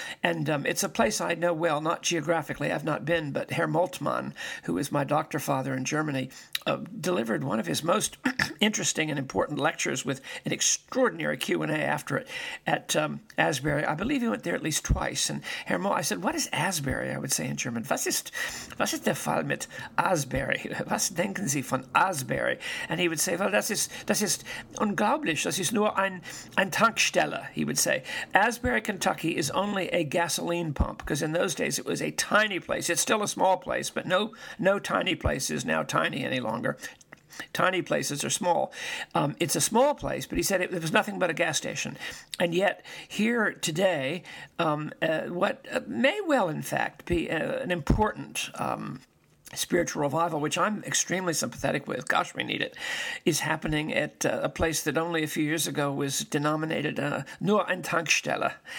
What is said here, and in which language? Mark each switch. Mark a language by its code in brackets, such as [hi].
[en] And it's a place I know well, not geographically, I've not been, but Herr Moltmann, who is my doctor father in Germany, delivered one of his most interesting and important lectures with an extraordinary Q&A after it at Asbury. I believe he went there at least twice. And Herr Moltmann, I said, what is Asbury, I would say in German? [de] Was ist der Fall mit Asbury? Was denken Sie von Asbury? [en] And he would say, well, [de] das ist unglaublich. Das ist nur ein Tankstelle, [en] he would say. Asbury, Kentucky is only a gasoline pump, because in those days it was a tiny place. It's still a small place, but no tiny place is now tiny any longer. Tiny places are small. It's a small place, but he said it was nothing but a gas station. And yet, here today, what may well, in fact, be an important spiritual revival, which I'm extremely sympathetic with, gosh, we need it, is happening at a place that only a few years ago was denominated [de] Nur ein Tankstelle.